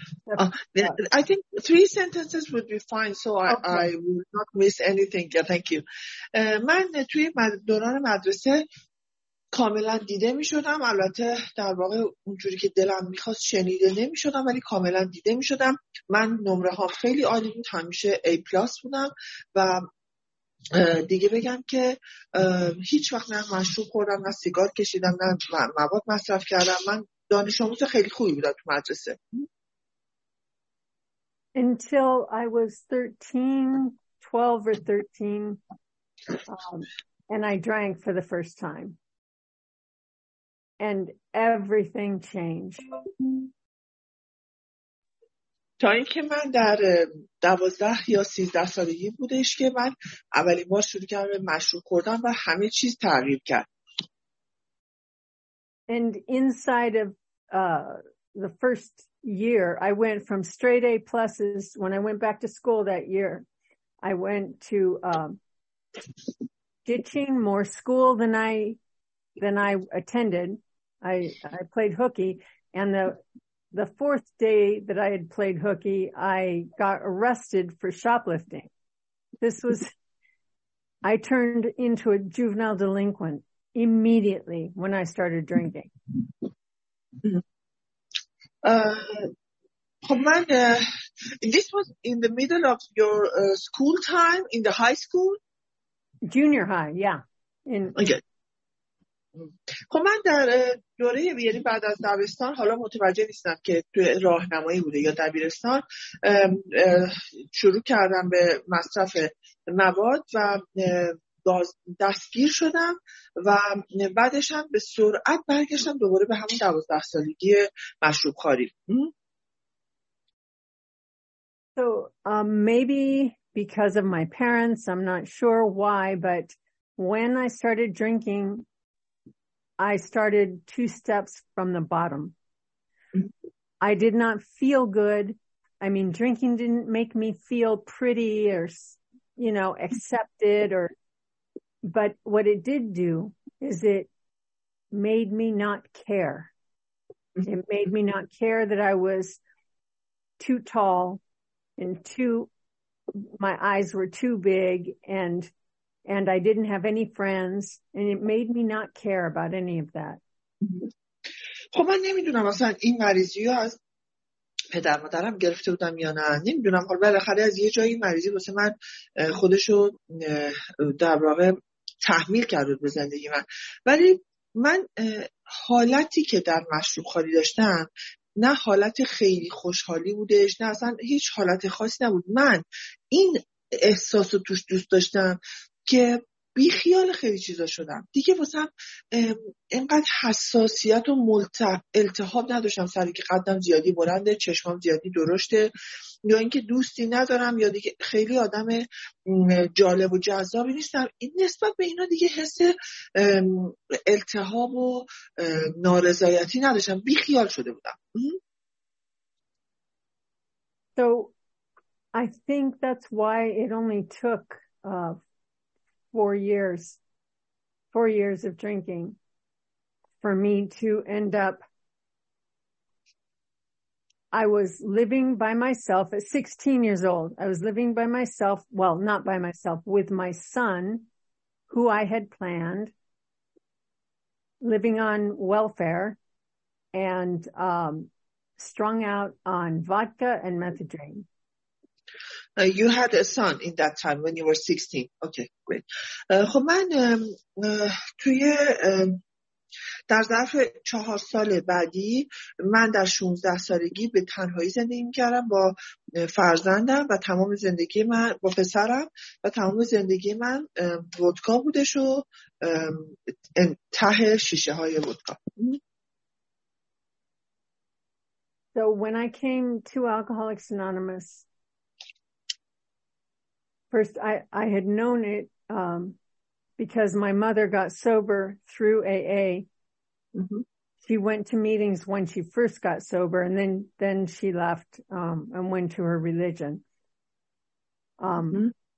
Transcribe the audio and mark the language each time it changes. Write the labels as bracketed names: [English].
[English] I think 3 sentences would be fine, so okay. I will not miss anything. Yeah, thank you. [Persian] من توی دوران مدرسه کاملا دیده می شدم، البته در واقع اونجوری که دلم می خواست شنیده نمی شدم، ولی کاملا دیده می شدم. من نمره ها خیلی عالی بود، همیشه A پلاس بودم و دیگه بگم که هیچ وقت نه مشروب خوردم، نه سیگار کشیدم، نه مواد مصرف کردم. من دانش آموز خیلی خوبی بودم تو مدرسه. [English] Until I was 12 or 13 and I drank for the first time. And everything changed. [Persian] تا اینکه من در 12 یا 13 سالگی بودش که من اولین بار شروع کردم به مشروب خوردن و همه چیز تغییر کرد. [English] And inside of the first year, I went from straight A pluses. When I went back to school that year, I went to ditching more school than I attended. I played hooky, and the fourth day that I had played hooky, I got arrested for shoplifting. I turned into a juvenile delinquent immediately when I started drinking. This was in the middle of your school time, in the high school? Junior high, yeah. [Persian] خب من در دوره ویری بعد از دبستان حالا متوجه نیستم که توی راهنمایی بوده یا دبیرستان شروع کردم به مصرف مواد و دستگیر شدم و بعدش هم به سرعت برگشتم دوباره به همون 12 سالگی مشروب خواری. [English] So maybe because of my parents, I'm not sure why, but when I started drinking, I started two steps from the bottom. I did not feel good. I mean, drinking didn't make me feel pretty or, you know, accepted or, but what it did do is it made me not care. It made me not care that I was too tall and too, my eyes were too big and I didn't have any friends, and it made me not care about any of that. [Persian] خب من نمیدونم اصلا این مریضی رو از پدر مادرم گرفته بودم یا نه. نمیدونم. خب بالاخره از یه جایی مریضی واسه من خودشو در واقع تحمیل کرده بود به زندگی من. ولی من حالتی که در مشروب خالی داشتم نه حالت خیلی خوشحالی بودش، نه اصلا هیچ حالت خاصی نبود. من این احساس رو توش دوست داشتم که بی خیال خیلی چیزا شدم. دیگه واسم اینقدر حساسیت و التهاب نداشتم سری که قدم زیادی بلنده، چشمام زیادی درشته، یا اینکه دوستی ندارم، یا دیگه خیلی آدم جالب و جذابی نیستم. این نسبت به اینا دیگه حس التهاب و نارضایتی نداشتم. بی خیال شده بودم. [English] So I think that's why it only took 4 years of drinking for me to end up. I was living by myself at 16 years old. I was living by myself, well, not by myself, with my son, who I had planned, living on welfare and strung out on vodka and methadone. You had a son in that time when you were 16. Okay, great. [Persian] خب من توی در ظرف 4 سال بعدی من در 16 سالگی به تنهایی زندگی می‌کردم با فرزندم و تمام زندگی من با پسرم و تمام زندگی من ودکا بودش و ته شیشه های ودکا. [English] So when I came to Alcoholics Anonymous, first, I had known it because my mother got sober through AA. Mm-hmm. She went to meetings when she first got sober, and then she left and went to her religion. Mm-hmm.